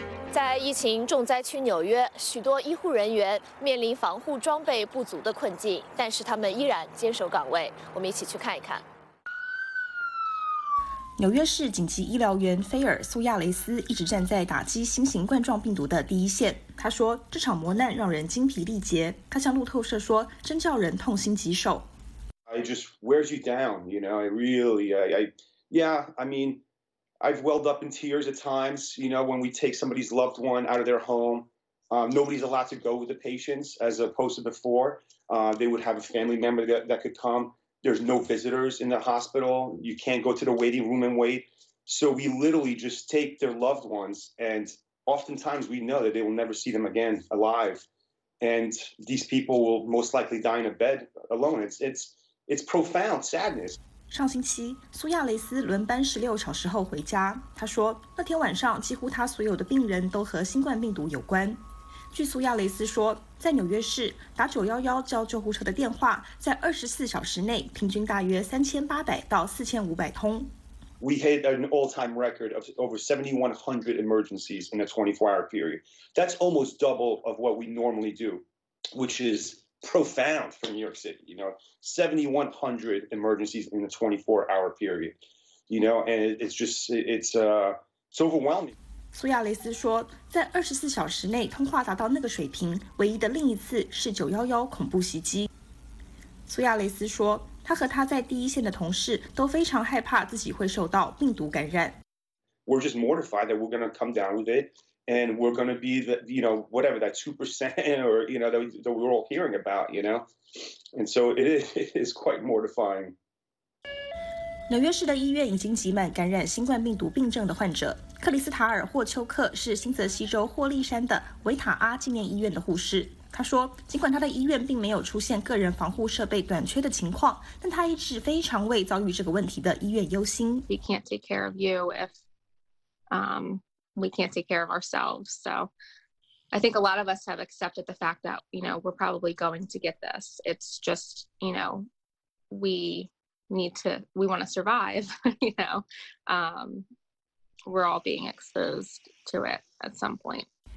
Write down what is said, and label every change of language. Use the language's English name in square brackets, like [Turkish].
[Chinese] 在疫情重灾区纽约，许多医护人员面临防护装备不足的困境，但是他们依然坚守岗位。我们一起去看一看。纽约市紧急医疗员菲尔·苏亚雷斯一直站在打击新型冠状病毒的第一线。他说，这场磨难让人精疲力竭。他向路透社说，真叫人痛心疾首。 [English] It just wears you down, you know, it really, I mean,I've welled up in tears at times, you know, when we take somebody's loved one out of their home. Nobody's allowed to go with the patients as opposed to before. They would have a family member that could come. There's no visitors in the hospital. You can't go to the waiting room and wait. So we literally just take their loved ones, and oftentimes we know that they will never see them again alive. And these people will most likely die in a bed alone. It's profound sadness. [Chinese] 上星期，苏亚雷斯轮班16小时后回家。他说，那天晚上几乎他所有的病人都和新冠病毒有关。据苏亚雷斯说，在纽约市打911叫救护车的电话，在24小时内平均大约3800到4500通。 [English] We hit an all-time record of over 7,100 emergencies in a 24-hour period. That's almost double of what we normally do, which is. Profound for New York City, you know, 7,100 emergencies in a 24-hour period, you know, and it's overwhelming. [Chinese] 苏亚雷斯说，在24小时内通话达到那个水平，唯一的另一次是911恐怖袭击。苏亚雷斯说，他和他在第一线的同事都非常害怕自己会受到病毒感染。 [English] We're just mortified that we're going to come down with it. And we're going to be the, you know, whatever that 2% or, you know, that we're all hearing about, you know. And so it is quite mortifying. [Chinese] 纽约市的医院已经挤满感染新冠病毒病症的患者。克里斯塔尔·霍丘克是新泽西州霍利山的维塔阿纪念医院的护士。他说，尽管他的医院并没有出现个人防护设备短缺的情况，但他一直非常为遭遇这个问题的医院忧心。 [English] We can't take care of you if, We can't take care of ourselves. So I think a lot of us have accepted the fact that, you know, we're probably going to get this. It's just, you know, we want to survive, you know. We're all being exposed to it at some point.